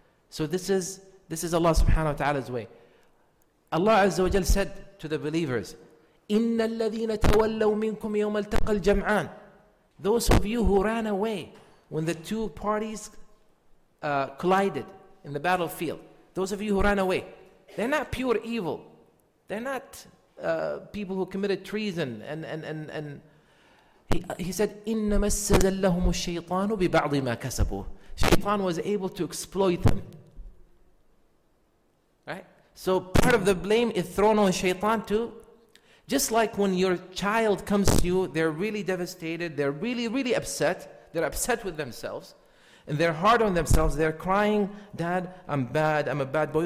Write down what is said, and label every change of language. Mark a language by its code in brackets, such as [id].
[en] So this is Allah subhanahu wa ta'ala's way. Allah Azza wa Jal said to the believers, [ar] إِنَّ الَّذِينَ تَوَلَّوْا مِنْكُمْ يَوْمَ الْتَقَى الْجَمْعَانِ. [en] Those of you who ran away when the two parties collided in the battlefield, those of you who ran away, they're not pure evil. They're not people who committed treason. And he said, [ar] إِنَّمَا سَزَلَّهُمُ الشَّيْطَانُ بِبَعْضِ مَا كَسَبُوا. [en] Shaitan was able to exploit them. Right? So part of the blame is thrown on Shaitan too. Just like when your child comes to you, they're really devastated, they're really, really upset, they're upset with themselves, and they're hard on themselves, they're crying, Dad, I'm bad, I'm a bad boy.